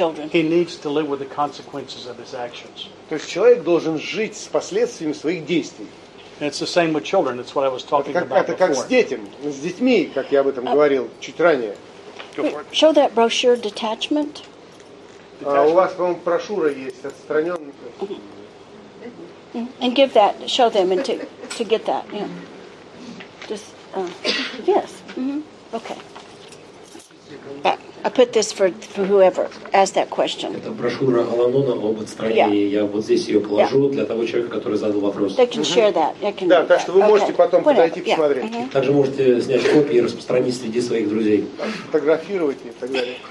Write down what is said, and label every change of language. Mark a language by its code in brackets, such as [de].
[en] He needs to live with the consequences of his actions. [ru] То есть человек должен жить с последствиями своих действий. [en] And it's the same with children. That's what I was talking about before. [ru] Это как с детьми, как я об этом говорил чуть ранее. [en] Show that brochure, detachment. [ru] У вас, по-моему, брошюра есть, отстранённая. [en] And give that, show them and to get that, yeah. Yes. Mm-hmm. Okay. I put this for whoever asked that question. [ru] Это брошюра Аланона об отстранении. Я вот здесь ее положу для того человека, который задал вопрос. [en] They can share that. [ru] Да, так что вы можете потом подойти посмотреть. Также можете снять копии и распространить среди своих друзей. Фотографировать и так далее.